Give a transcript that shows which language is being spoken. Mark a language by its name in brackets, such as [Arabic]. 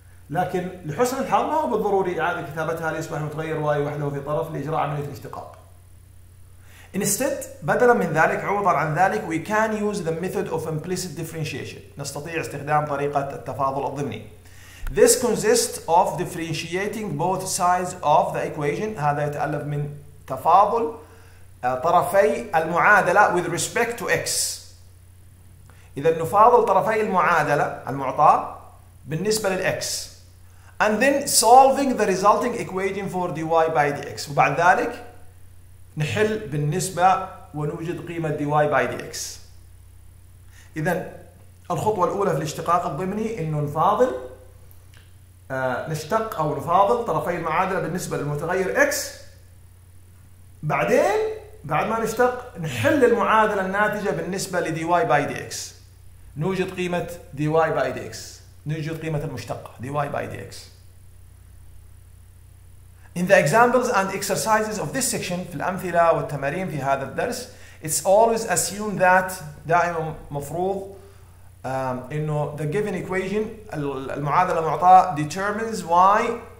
[Arabic] لكن لحسن الحظ ما هو بالضروري إعادة كتابتها ليصبح متغير y وحده في طرف لإجراء عملية الاشتقاق. [English] Instead [Arabic] بدلا من ذلك عوضا عن ذلك [English] we can use the method of implicit differentiation [Arabic] نستطيع استخدام طريقة التفاضل الضمني. [English] This consists of differentiating both sides of the equation [Arabic] هذا يتألف من تفاضل طرفي المعادلة [English] with respect to x. [Arabic] إذا نفاضل طرفي المعادلة المعطاة بالنسبة للx. [English] And then solving the resulting equation for dy by dx. [Arabic] وبعد ذلك نحل بالنسبة ونوجد قيمة dy by dx. إذن الخطوة الأولى في الاشتقاق الضمني إنه نفاضل نشتق أو نفاضل طرفي المعادلة بالنسبة للمتغير x. بعدين بعد ما نشتق نحل المعادلة الناتجة بالنسبة لdy by dx. نوجد قيمة dy by dx. نوجد قيمة المشتق dy by dx. [English] In the examples and exercises of this section [Arabic] في الأمثلة والتمارين في هذا الدرس [English] it's always assumed that [Arabic] دائما مفروض إنه [English] the given equation [Arabic] المعادلة المعطاة [English] determines y